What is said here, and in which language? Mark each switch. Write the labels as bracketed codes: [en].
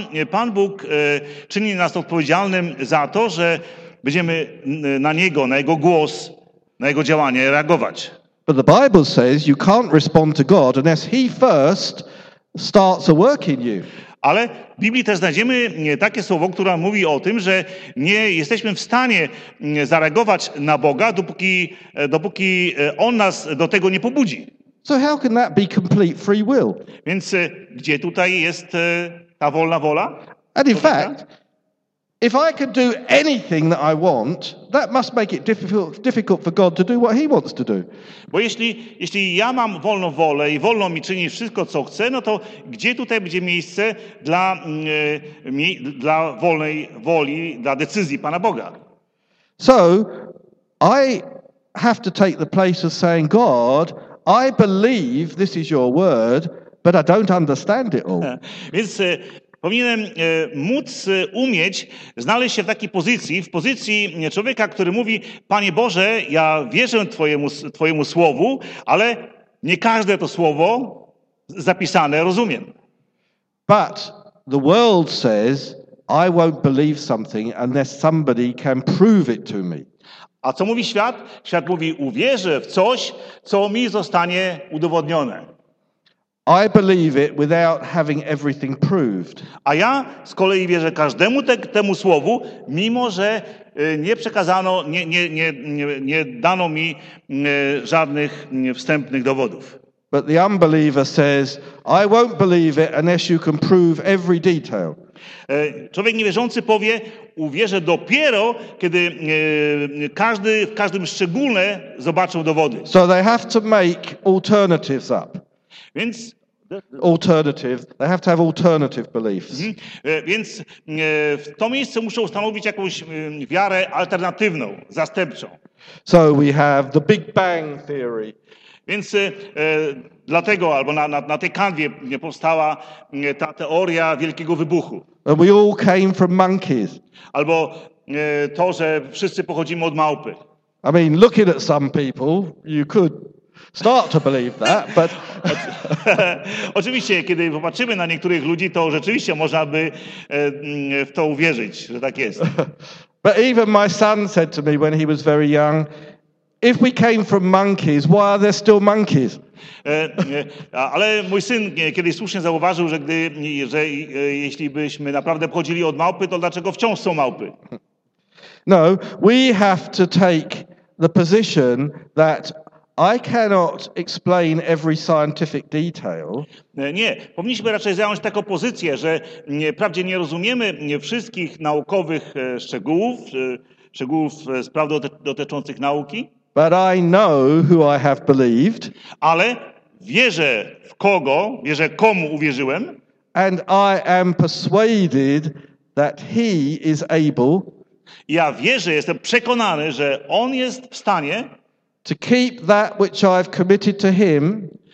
[pl] Pan Bóg czyni nas odpowiedzialnym za to, że będziemy na niego, na jego głos, na jego działanie reagować. [en] But the Bible says you can't respond to God unless he first starts a work in you. [pl] Ale w Biblii też znajdziemy takie słowo, które mówi o tym, że nie jesteśmy w stanie zareagować na Boga, dopóki On nas do tego nie pobudzi. [en] So how can that be complete free will? [pl] Więc gdzie tutaj jest ta wolna wola? [en] And in fact, if I could do anything that I want, that must make it difficult for God to do what he wants to do. [pl] Bo jeśli ja mam wolną wolę i wolno mi czynić wszystko, co chcę, no to gdzie tutaj będzie miejsce dla wolnej woli, dla decyzji Pana Boga? [en] So, I have to take the place of saying, God, I believe this is your word, but I don't understand it all. [pl] Więc powinienem móc umieć znaleźć się w takiej pozycji, w pozycji człowieka, który mówi, Panie Boże, ja wierzę Twojemu słowu, ale nie każde to słowo zapisane rozumiem. [en] But the world says, I won't believe something unless somebody can prove it to me. [pl] A co mówi świat? Świat mówi, uwierzę w coś, co mi zostanie udowodnione. [en] I believe it without having everything proved. [pl] A ja z kolei wierzę każdemu temu słowu, mimo że nie przekazano, nie dano mi żadnych wstępnych dowodów. [en] But the unbeliever says, I won't believe it unless you can prove every detail. [pl] Człowiek niewierzący powie, uwierzę dopiero, kiedy każdy w każdym szczególe zobaczą dowody. [en] So they have to make alternatives up. [pl] Więc [en] alternative, they have to have alternative beliefs. [pl] Więc w to miejsce muszą ustanowić jakąś wiarę alternatywną, zastępczą. [en] So we have the Big Bang theory. [pl] Więc dlatego, albo na tej kanwie powstała ta teoria wielkiego wybuchu. [en] And we all came from monkeys. [pl] Albo to, że wszyscy pochodzimy od małpy. [en] I mean, looking at some people, you could start to believe that, but... [pl] Oczywiście, kiedy popatrzymy na niektórych ludzi, to rzeczywiście można by w to uwierzyć, że tak jest. [en] But even my son said to me when he was very young, if we came from monkeys, why are there still monkeys? [pl] Ale mój syn kiedyś słusznie zauważył, że gdy, że jeśli byśmy naprawdę pochodzili od małpy, to dlaczego wciąż są małpy? [en] No, we have to take the position that I cannot explain every scientific detail. [pl] Nie, powinniśmy raczej zająć taką pozycję, że wprawdzie nie rozumiemy wszystkich naukowych szczegółów spraw dotyczących nauki. [en] But I know who I have believed. [pl] Ale wierzę w kogo, wierzę komu uwierzyłem. [en] And I am persuaded that he is able. [pl] Ja wierzę, jestem przekonany, że on jest w stanie [en] to keep that which I've committed to him.